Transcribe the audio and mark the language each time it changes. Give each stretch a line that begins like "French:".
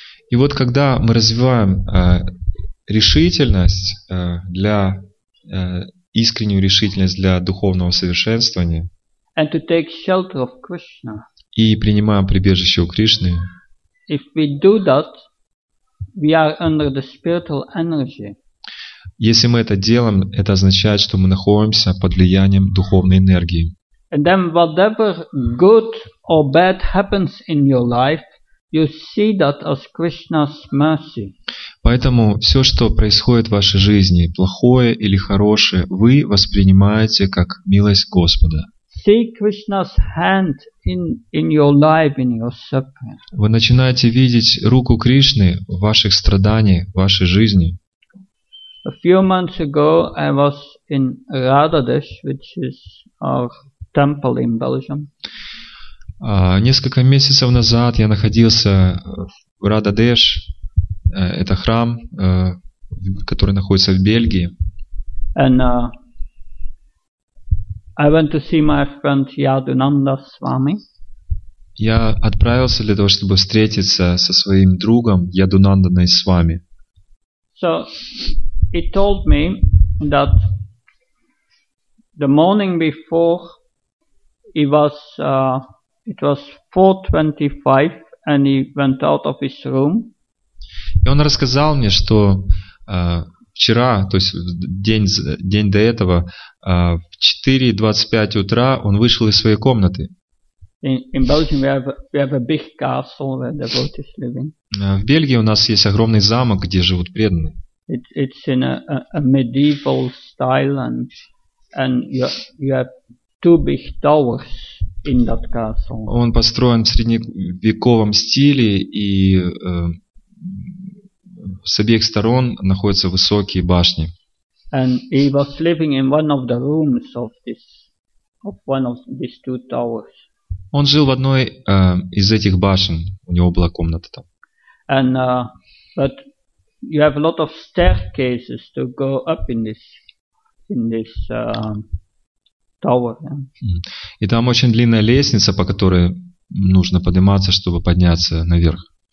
Russian: И вот когда мы развиваем искреннюю решительность для духовного совершенствования.
English: And to take shelter of Krishna.
Russian: И принимаем прибежище у Кришны.
English: If we do that, We are under the spiritual energy.
Russian: Если мы это делаем, это означает, что мы находимся под влиянием духовной энергии.
English: And then whatever good or bad happens in your life, you see that as Krishna's mercy.
Russian: Поэтому все, что происходит в вашей жизни, плохое или хорошее, вы воспринимаете как милость Господа.
English: See Krishna's hand in your life, in your suffering.
Russian: Вы начинаете видеть руку Кришны в ваших страданиях, в вашей жизни.
English: A few months ago I was in Radadesh, which is our temple in Belgium.
Russian: Несколько месяцев назад я находился в Рададеш, это храм, который находится в Бельгии.
English: And I went to see my friend Yadunanda Swami.
Russian: Я отправился для того, чтобы встретиться со своим другом Ядунанданой Свами.
English: So he told me that the morning before it was 4:25 and he went out of his room.
Russian: И он рассказал мне, что вчера, то есть день до этого, в 4:25 утра он вышел из своей комнаты.
English: In Belgium we have a big castle where devotees live.
Russian: В Бельгии у нас есть огромный замок, где живут преданные.
English: It's in a medieval style and you have two big towers in that castle.
Russian: Он построен в средневековом стиле и с обеих сторон находятся высокие башни.
English: And he was living in one of the rooms of one of these two towers.
Russian: Он жил в одной из этих башен. У него была комната там.
English: And but you have a lot of staircases to go up in this tower.
Russian: И там очень длинная лестница, по которой нужно подниматься, чтобы подняться наверх.